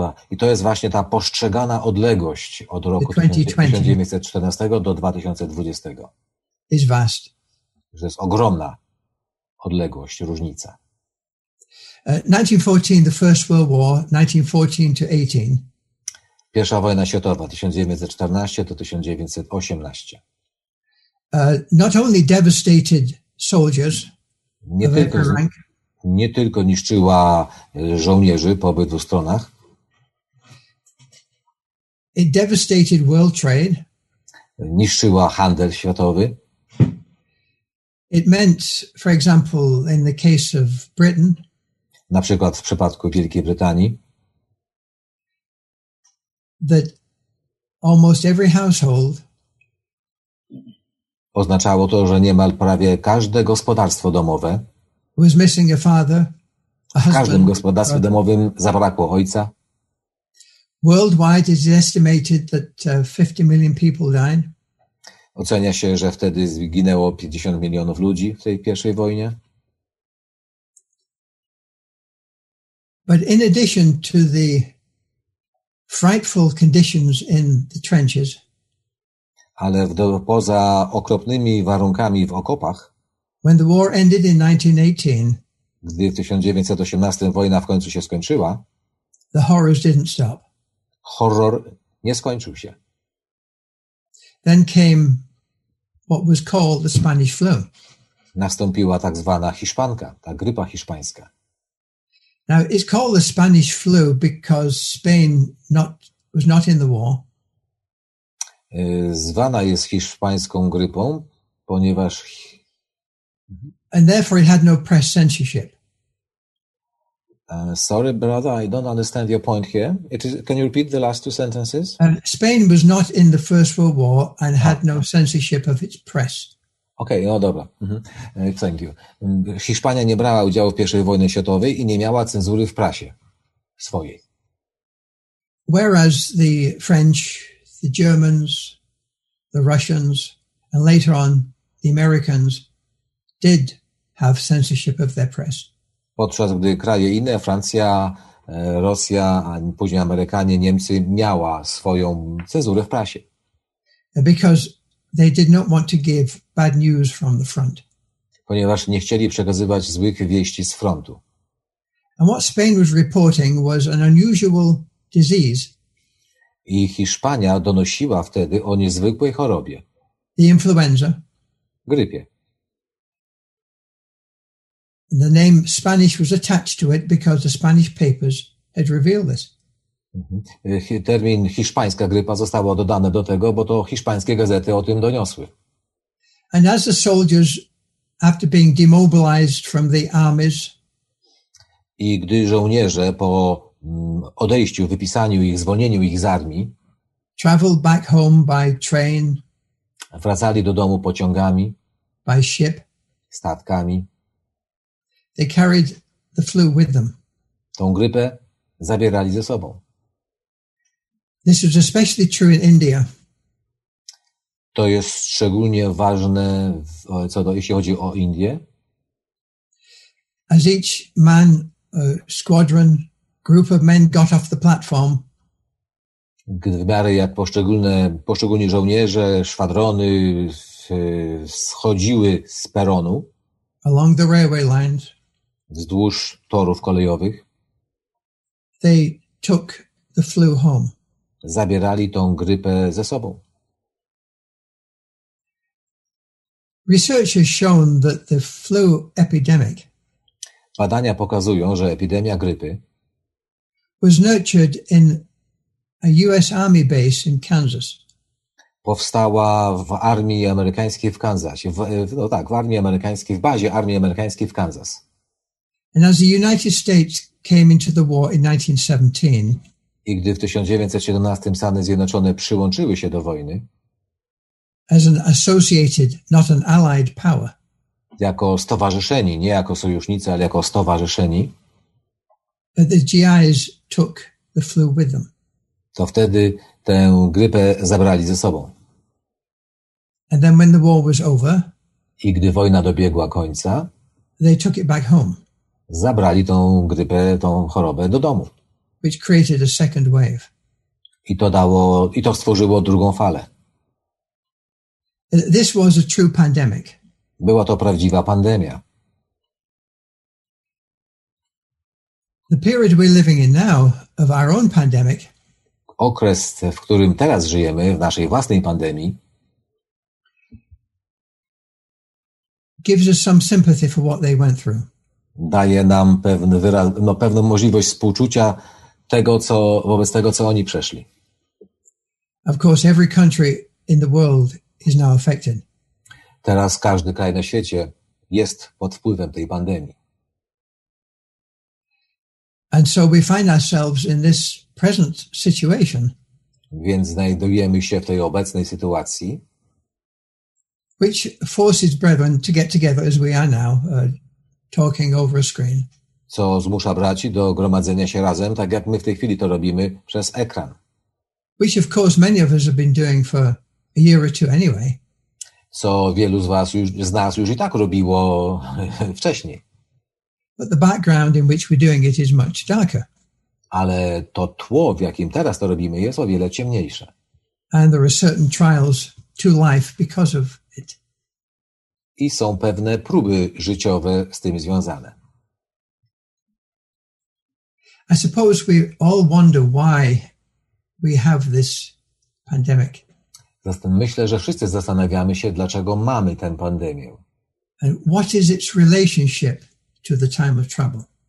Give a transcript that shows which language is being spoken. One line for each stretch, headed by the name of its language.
Polish: I to jest właśnie ta postrzegana odległość od roku 1914 do 2020.
English: Is vast.
Polish: Że jest ogromna odległość, różnica.
English: 1914, the First World War, 1914-18.
Polish: Pierwsza wojna światowa, 1914 do 1918.
English: Not only devastated soldiers,
Polish: nie tylko niszczyła żołnierzy po obydwu stronach.
English: It devastated world trade.
Polish: Niszczyła handel światowy.
English: It meant, for example, in the case of Britain.
Polish: Na przykład w przypadku Wielkiej Brytanii.
English: That almost every household,
Polish: oznaczało to, że niemal prawie każde gospodarstwo domowe,
English: was missing a father, a
Polish: w każdym gospodarstwie domowym zabrakło ojca.
English: Worldwide is estimated that 50 million people died.
Polish: Ocenia się, że wtedy zginęło 50 milionów ludzi w tej pierwszej wojnie.
English: But in addition to the frightful conditions in the trenches.
Polish: Ale poza okropnymi warunkami w okopach.
English: When the war ended in 1918.
Polish: Gdy w 1918 wojna w końcu się skończyła.
English: The horrors didn't stop.
Polish: Horror nie skończył się.
English: Then came what was called the Spanish flu.
Polish: Nastąpiła tak zwana hiszpanka, ta grypa hiszpańska.
English: Now it's called the Spanish flu because Spain was not in the war.
Polish: Zwana jest hiszpańską grypą, ponieważ
English: and therefore it had no press censorship. Sorry brother, I don't understand your point here. Can you repeat the last two sentences? Spain was not in the First World War and had no censorship of its press.
Polish: Okej, okay, no dobra.
English: Thank you.
Polish: Hiszpania nie brała udziału w pierwszej wojnie światowej i nie miała cenzury w prasie swojej.
English: Whereas the French, the Germans, the Russians and later on the Americans did have censorship of their press.
Polish: Podczas gdy kraje inne, Francja, Rosja, a później Amerykanie, Niemcy miała swoją cenzurę w prasie.
English: Because they did not want to give bad news from the front.
Polish: Ponieważ nie chcieli przekazywać złych wieści z frontu.
English: And what Spain was reporting was an unusual disease.
Polish: I Hiszpania donosiła wtedy o niezwykłej chorobie.
English: The influenza.
Polish: Grypie.
English: And the name Spanish was attached to it because the Spanish papers had revealed this.
Polish: Termin hiszpańska grypa zostało dodane do tego, bo to hiszpańskie gazety o tym doniosły.
English: And as the soldiers, after being demobilized from the armies,
Polish: i gdy żołnierze po odejściu, wypisaniu ich, zwolnieniu ich z armii,
English: traveled back home by train,
Polish: wracali do domu pociągami,
English: by ship,
Polish: statkami,
English: they carried the flu with them.
Polish: Tą grypę zabierali ze sobą.
English: This is especially true in India.
Polish: To jest szczególnie ważne, jeśli chodzi o Indie.
English: As each man, squadron, group of men got off the platform.
Polish: W miarę jak poszczególni żołnierze, szwadrony schodziły z peronu.
English: Along the railway lines.
Polish: Wzdłuż torów kolejowych.
English: They took the flu home.
Polish: Zabierali tą grypę ze sobą.
English: Research has shown that the flu epidemic,
Polish: badania pokazują, że epidemia grypy,
English: was nurtured in a US Army base in Kansas.
Polish: Powstała w armii amerykańskiej w Kansas. W armii amerykańskiej, w bazie armii amerykańskiej w Kansas.
English: And as the United States came into the war in 1917,
Polish: i gdy w 1917 Stany Zjednoczone przyłączyły się do wojny,
English: as an associated, not an allied power,
Polish: jako stowarzyszeni, nie jako sojusznicy, ale jako stowarzyszeni,
English: the GIs took the flu with them.
Polish: To wtedy tę grypę zabrali ze sobą.
English: And then when the war was over,
Polish: i gdy wojna dobiegła końca,
English: they took it back home.
Polish: Zabrali tą grypę, tą chorobę do domu.
English: Which created a second wave.
Polish: I to stworzyło drugą falę.
English: This was a true pandemic.
Polish: Była to prawdziwa pandemia.
English: The period we're living in now of our own pandemic.
Polish: Okres, w którym teraz żyjemy, w naszej własnej pandemii,
English: gives us some sympathy for what they went through.
Polish: Daje nam pewien wyraz, pewną możliwość współczucia tego, co wobec tego, co oni przeszli.
English: Of course, every country in the world is now affected.
Polish: Teraz każdy kraj na świecie jest pod wpływem tej pandemii.
English: And so we find ourselves in this present situation.
Polish: Więc znajdujemy się w tej obecnej sytuacji,
English: which forces brethren to get together as we are now, talking over a screen.
Polish: Co zmusza braci do gromadzenia się razem, tak jak my w tej chwili to robimy przez ekran.
English: Which of course many of us have been doing for a year or two anyway.
Polish: Co wielu z was już, z nas już i tak robiło wcześniej.
English: But the background in which we're doing it is much darker.
Polish: Ale to tło, w jakim teraz to robimy, jest o wiele ciemniejsze.
English: And there are certain trials to life because of it.
Polish: I są pewne próby życiowe z tym związane.
English: I suppose we all wonder why we have this pandemic.
Polish: Myślę, że wszyscy zastanawiamy się, dlaczego mamy tę pandemię.
English: And what is its relationship to the time of trouble?